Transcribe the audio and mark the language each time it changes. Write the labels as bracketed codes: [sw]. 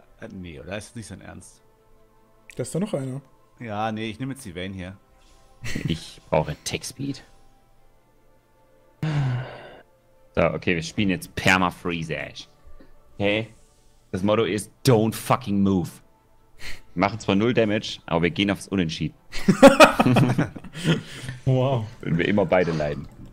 [de] Nee, oder ist das nicht sein Ernst? Da ist doch noch einer. Ja, nee, ich nehme jetzt die Vayne hier. Ich brauche Tech-Speed. So, okay, wir spielen jetzt Perma-Freeze-Ash. Okay? Das Motto ist, [en] don't fucking move. [de] Wir machen zwar null Damage, aber wir gehen aufs Unentschieden. Wow. Wenn wir immer beide leiden.